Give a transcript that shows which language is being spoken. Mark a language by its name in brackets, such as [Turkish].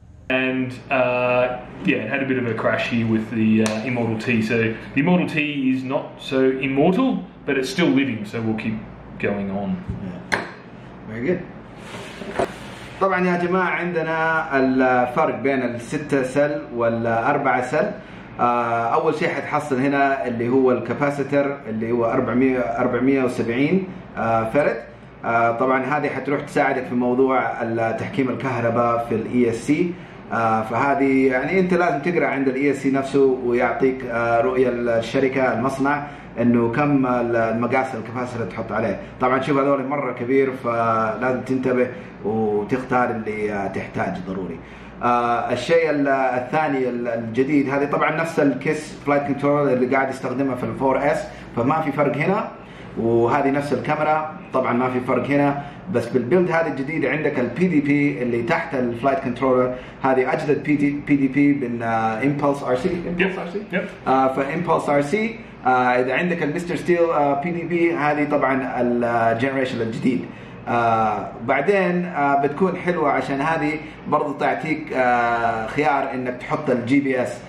[English] And yeah, it had a bit of a crash here with the Immortal T. So the Immortal T is not so immortal, but it's still living, so we'll keep going on. Yeah. Very good. [Arabic] طبعا يا جماعة عندنا الفرق بين الستة سل والأربعة سل. أول شيء حتحصل هنا اللي هو الكاباسيتر اللي هو 470 فرد. طبعا هذه حتروح تساعدك في موضوع تحكيم الكهرباء في الـ ESC. فهذه يعني انت لازم تقرا عند الاي اس سي نفسه ويعطيك رؤيه الشركه المصنع انه كم المقاس الكباسيتر اللي تحط عليه. طبعا شوف هذول مره كبير فلازم تنتبه وتختار اللي تحتاج ضروري. الشيء الثاني الجديد هذه طبعا نفس الكيس فلايت كنترول اللي قاعد يستخدمها في الفور اس فما في فرق هنا, وهذه نفس الكاميرا طبعا ما في فرق هنا, بس بالبيلد هذه الجديدة عندك الـ PDP اللي تحت الـ Flight Controller هذه أجدد PDP من Impulse RC. Impulse RC إذا عندك الـ Mr. Steel PDP هذه طبعا الـ Generation الجديد. بعدين بتكون حلوة عشان هذه برضو تعطيك خيار إنك تحط الـ GPS.